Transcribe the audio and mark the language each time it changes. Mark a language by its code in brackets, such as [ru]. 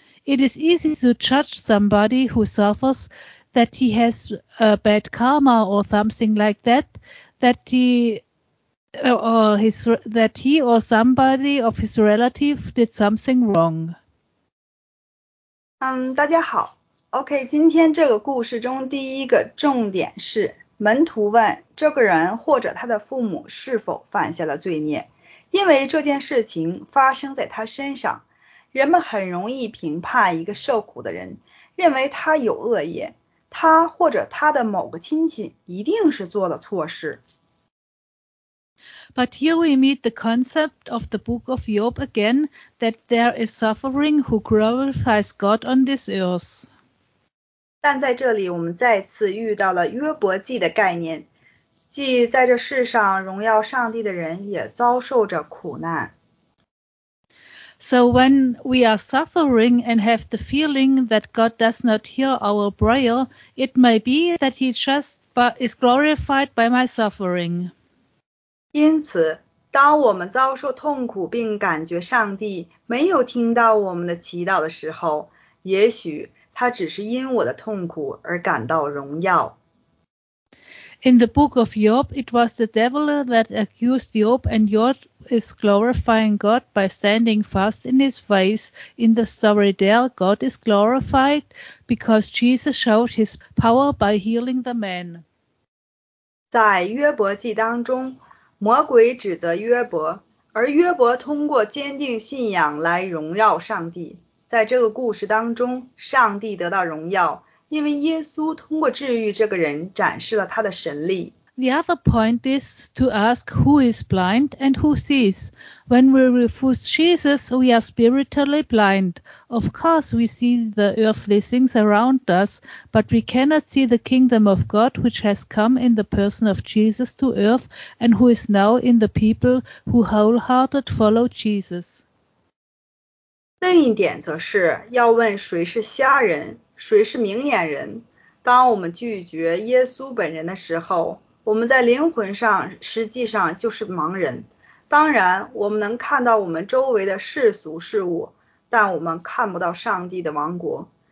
[en] It is easy to judge somebody who suffers that he has a bad karma or something like that, that he or somebody of his relatives did something wrong. [zh] 大家好。 OK, 今天这个故事中第一个重点是门徒问这个人或者他的父母是否犯下了罪孽。因为这件事情发生在他身上，人们很容易评判一个受苦的人，认为他有恶业，他或者他的某个亲戚一定是做了错事。 [en] But here we meet the concept of the book of Job again, that there is suffering who glorifies God on this earth. [zh] 但在这里我们再次遇到了约伯记的概念，即在这世上荣耀上帝的人也遭受着苦难。 [en] So when we are suffering and have the feeling that God does not hear our prayer, it may be that he just is glorified by my suffering. [zh] 因此，当我们遭受痛苦并感觉上帝没有听到我们的祈祷的时候，也许他只是因我的痛苦而感到荣耀。 [en] In the book of Job, it was the devil that accused Job, and Job is glorifying God by standing fast in his ways. In the story there, God is glorified because Jesus showed his power by healing the man. [zh] 在约伯记当中，魔鬼指责约伯，而约伯通过坚定信仰来荣耀上帝。在这个故事当中，上帝得到荣耀，因为耶稣通过治愈这个人展示了他的神力。 [en] The other point is to ask who is blind and who sees. When we refuse Jesus, we are spiritually blind. Of course, we see the earthly things around us, but we cannot see the kingdom of God, which has come in the person of Jesus to earth and who is now in the people who wholehearted follow Jesus. [zh] 另一点则是要问谁是瞎人，谁是明眼人。当我们拒绝耶稣本人的时候，我们在灵魂上实际上就是盲人。当然，我们能看到我们周围的世俗事物，但我们看不到上帝的王国。